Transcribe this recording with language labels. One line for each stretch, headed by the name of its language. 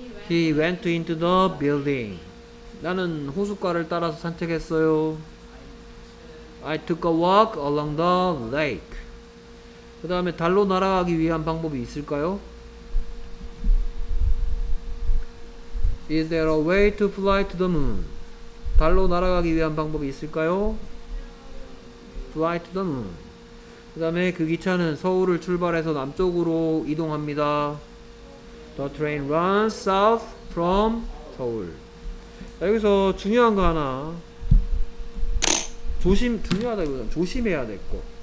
English: He went into the building.
Korean: 나는 호숫가를 따라서 산책했어요.
English: I took a walk along the lake.
Korean: 그 다음에 달로 날아가기 위한 방법이 있을까요?
English: Is there a way to fly to the moon?
Korean: 달로 날아가기 위한 방법이 있을까요?
English: Fly to the moon.
Korean: 그 다음에 그 기차는 서울을 출발해서 남쪽으로 이동합니다.
English: The train runs south from 서울.
Korean: 자, 여기서 중요한 거 하나. 중요하다기보다는 조심해야 될 거.